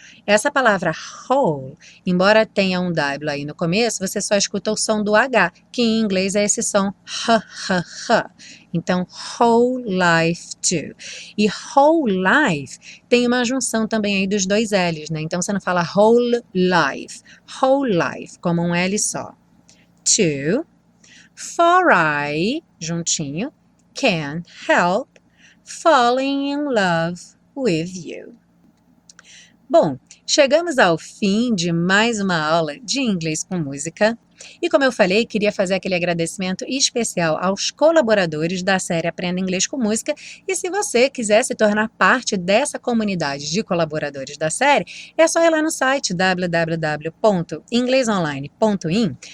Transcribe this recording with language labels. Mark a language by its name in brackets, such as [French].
[Portuguese] Essa palavra whole, embora tenha um W aí no começo, você só escuta o som do H, que em inglês é esse som h. Então, whole life too. E whole life tem uma junção também aí dos dois L's, né? Então, você não fala whole life, como um L só. [English] To, for I, juntinho, can't help falling in love with you. [Portuguese] Bom, chegamos ao fim de mais uma aula de inglês com música. E como eu falei, queria fazer aquele agradecimento especial aos colaboradores da série Aprenda Inglês com Música. E se você quiser se tornar parte dessa comunidade de colaboradores da série, é só ir lá no site www.inglesonline.in.